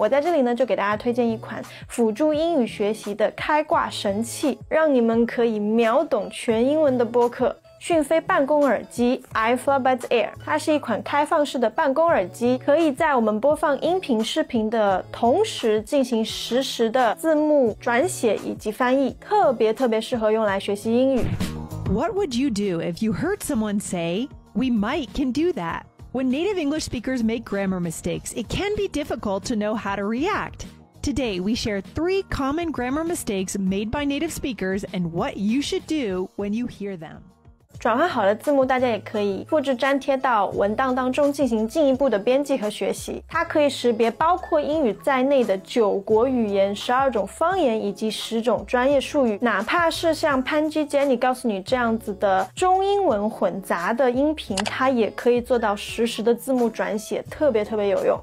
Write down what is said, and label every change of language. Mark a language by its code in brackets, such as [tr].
[zh] 我在这里呢就给大家推荐一款辅助英语学习的开挂神器，让你们可以秒懂全英文的播客，讯飞办公耳机 iFlowBuds Air。它是一款开放式的办公耳机，可以在我们播放音频视频的同时进行实时的字幕转写以及翻译，特别特别适合用来学习英语。 [en] What would you do if you heard someone say We might can do that? When native English speakers make grammar mistakes, it can be difficult to know how to react. Today we share three common grammar mistakes made by native speakers and what you should do when you hear them. [zh] 转换好的字幕大家也可以复制粘贴到文档当中进行进一步的编辑和学习。它可以识别包括英语在内的九国语言、十二种方言以及十种专业术语。哪怕是像潘基杰尼告诉你这样子的中英文混杂的音频，它也可以做到实时的字幕转写，特别特别有用。